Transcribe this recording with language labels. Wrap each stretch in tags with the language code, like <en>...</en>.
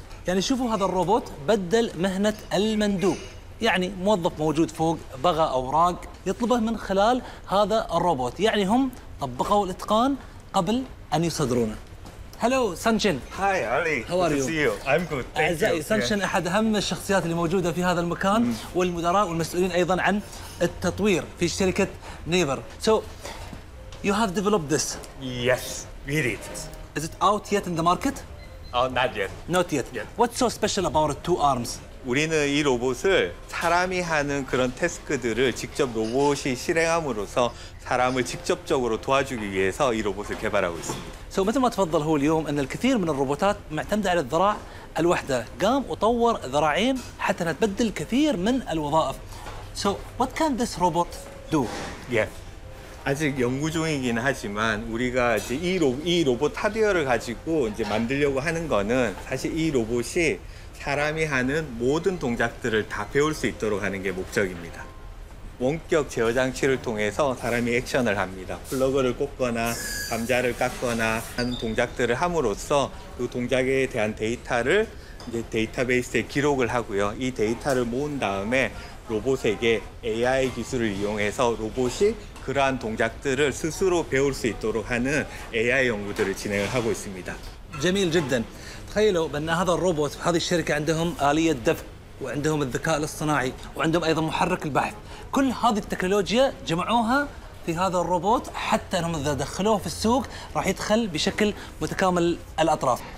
<ar>يعني شوفوا هذا الروبوت بدل مهنة المندوب، يعني موظف موجود فوق بغى أوراق يطلبه من خلال هذا الروبوت، يعني هم طبقوا الإتقان قبل أن يصدرونه.</ar> <en>Hello Sunshine. Hi علي. How are you? Good to see you. I'm good. Thank you.</en> <ar>أعزائي سانشين أحد أهم الشخصيات اللي موجودة في هذا المكان والمدراء والمسؤولين أيضاً عن التطوير في شركة نيفر.</ar> <en>So you have developed this. Yes, we did. Is it out yet in the market? Not yet. What's so special about the two arms?</en> <ko>우리는 이 로봇을 사람이 하는 그런 태스크들을 직접 로봇이 실행함으로써 사람을 직접적으로 도와주기 위해서 이 로봇을 개발하고 있습니다.</ko> <ar>So, مثل ما تفضل هو اليوم أن الكثير من الروبوتات معتمدة على الذراع الوحدة، قام وطور ذراعين حتى تبدل كثير من الوظائف.</ar> <en>So, what can this robot do? Yeah.</en> <ko>아직 연구 중이긴 하지만 우리가 이제 이 로봇 하드웨어를 가지고 이제 만들려고 하는 거는 사실 이 로봇이 사람이 하는 모든 동작들을 다 배울 수 있도록 하는 게 목적입니다. 원격 제어 장치를 통해서 사람이 액션을 합니다. 플러그를 꽂거나 감자를 깎거나 하는 동작들을 함으로써 그 동작에 대한 데이터를 이제 데이터베이스에 기록을 하고요. 이 데이터를 모은 다음에 로봇에게 AI 기술을 이용해서 로봇이 그러한 동작들을 스스로 배울 수 있도록 하는 AI 연구들을 진행을 하고 있습니다. 재미있</ko> <ar>جدا. تخيلوا بأن هذا الروبوت هذه الشركة عندهم آلية دفع وعندهم الذكاء الاصطناعي وعندهم أيضا محرك البحث. كل هذه التكنولوجيا جمعوها في هذا الروبوت حتى أنهم إذا دخلوه في السوق راح يدخل بشكل متكامل الأطراف.</ar>